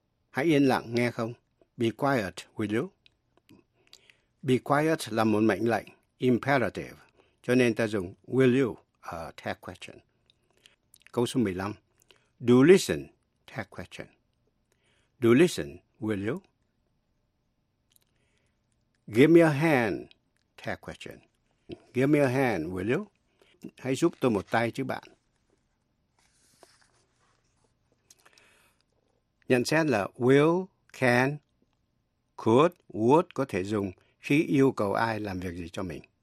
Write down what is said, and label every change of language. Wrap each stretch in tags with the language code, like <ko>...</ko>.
<vi>Hãy yên lặng nghe không?</vi> <en>Be quiet, will you?</en> <vi>Be quiet là một mệnh lệnh, imperative, cho nên ta dùng will you,</vi> <en>a tag question.</en> <vi>Câu số 15,</vi> <en>do listen, tag question. Do listen, will you? Give me a hand, care question. Give me a hand, will you?</en> <vi>Hãy giúp tôi một tay chứ bạn. Nhận xét là will, can, could, would có thể dùng khi yêu cầu ai làm việc gì cho mình.</vi>